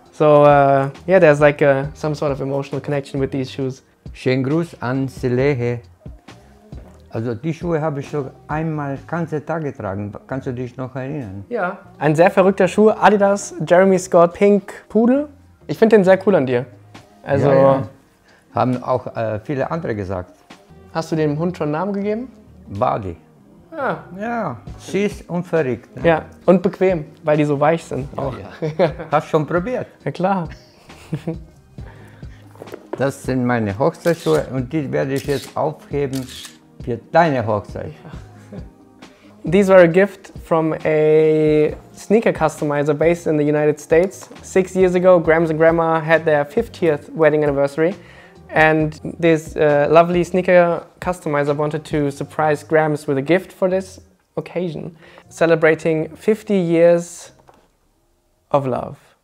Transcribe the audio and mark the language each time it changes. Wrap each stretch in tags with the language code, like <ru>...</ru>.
<en>So, yeah, there's like some sort of emotional connection with these shoes.</en> <de>Schönen Gruß an Selehe. Also die Schuhe habe ich schon einmal ganze Tage getragen. Kannst du dich noch erinnern? Ja. Ein sehr verrückter Schuh. Adidas Jeremy Scott Pink Pudel. Ich finde den sehr cool an dir. Also Haben auch viele andere gesagt. Hast du dem Hund schon einen Namen gegeben? Buddy. Ah, Ja. Süß und verrückt. Ne? Ja, und bequem, weil die so weich sind. Ja, auch. Ja. Hast du schon probiert? Ja, klar. Das sind meine Hochzeitsschuhe und die werde ich jetzt aufheben für deine Hochzeit.</de> <en>These were a gift from a sneaker customizer based in the United States. 6 years ago, Grams and Grandma had their 50th wedding anniversary. And this lovely sneaker customizer wanted to surprise Grams with a gift for this occasion, celebrating 50 years of love.</en>